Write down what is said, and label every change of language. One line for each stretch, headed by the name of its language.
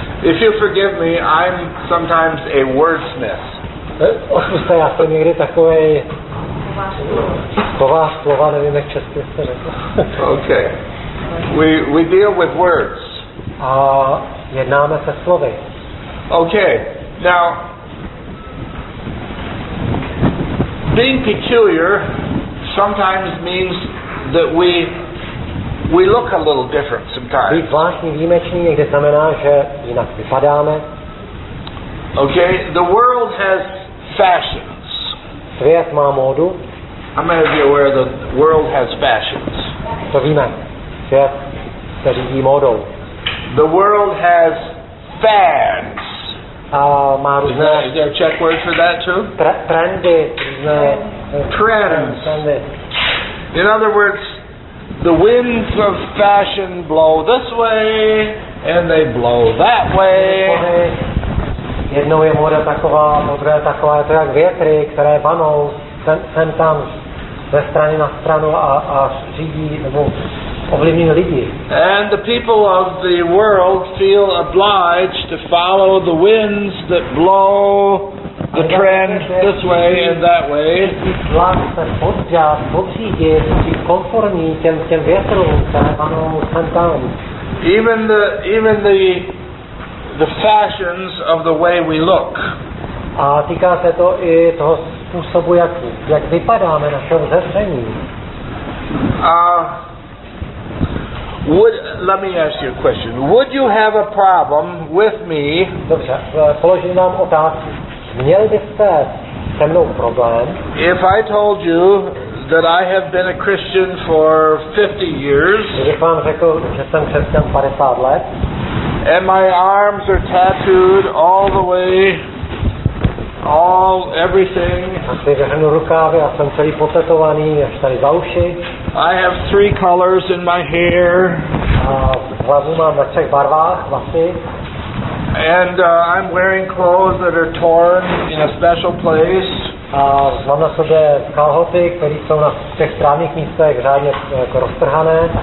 English: If you forgive me, I'm sometimes a wordsmith.
Czech: Odpuste, já jsem někdy takovej slova, slova, nevím, jak česky se řekl.
English: Okay. We deal with words.
Czech: Jednáme se slovy.
English: Okay. Now, being peculiar sometimes means that we look a little different sometimes.
Czech: Být zvláštní, výjimečný někdy znamená, že jinak vypadáme.
English: Okay, the world has fashions.
Czech: Svět má módu.
English: How many of you are aware the world has fashions?
Czech: To víme. Svět se řídí módou.
English: The world has fads.
Czech: Má různé.
English: Is there a Czech word for that too?
Czech: Trendy.
English: Trends. In other words, the winds of fashion blow this way, and they blow that way.
Czech: Jednou je moda taková, druhá taková, je to jak větry, které vanou sem tam ze strany na stranu a řídí nebo ovlivňují lidi.
English: And the people of the world feel obliged to follow the winds that blow the trend this way and that way.
Czech: Vlastně podřád, podřídit, být konformní těm větrům, které panou sem tam.
English: Even the fashions of the way we look.
Czech: A týká se to i toho způsobu, jak vypadáme, našeho vzestření.
English: Let me ask you a question. Would you have a problem with me?
Czech: Dobře, položím vám otázku. Měl byste se mnou problém?
English: If I told you that I have been a Christian for 50 years.
Czech: Kdybych vám řekl, že jsem křesťan 50 let.
English: And my arms are tattooed all the way, all everything.
Czech: A si vyhrnu rukávy a jsem celý potetovaný až tady za uši.
English: I have three colors in my hair.
Czech: A hlavu mám ve třech barvách, vlasy.
English: And I'm wearing clothes that are torn in a special place.
Czech: A mám na sobě kalhoty, které jsou na těch správných místech řádně jako roztrhané.